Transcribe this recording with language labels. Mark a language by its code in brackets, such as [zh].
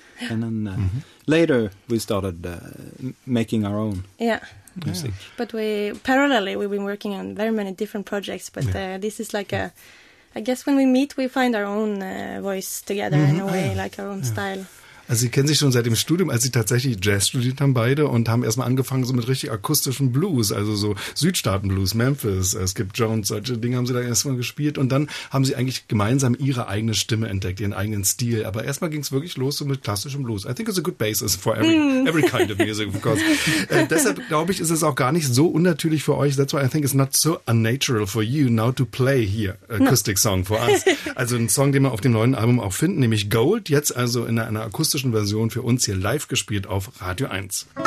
[en] And then later we started making our own music. But parallelly, we've been working on very many different projects, but this is like I guess when we meet, we find our own voice together in a way, like our own style. [de] Also sie kennen sich schon seit dem Studium, als sie tatsächlich Jazz studiert haben beide und haben erstmal angefangen so mit richtig akustischen Blues, also so Südstaaten-Blues, Memphis, Skip Jones, solche Dinge haben sie da erstmal gespielt und dann haben sie eigentlich gemeinsam ihre eigene Stimme entdeckt, ihren eigenen Stil. Aber erstmal ging es wirklich los so mit klassischem Blues. [en] I think it's a good basis for every kind of music, of course. [de] Deshalb glaube ich, ist es auch gar nicht so unnatürlich für euch. [en] That's why I think it's not so unnatural for you now to play here acoustic song for us. [de] Also ein Song, den wir auf dem neuen Album auch finden, nämlich Gold, jetzt also in einer akustischen Version für uns hier live gespielt auf Radio 1.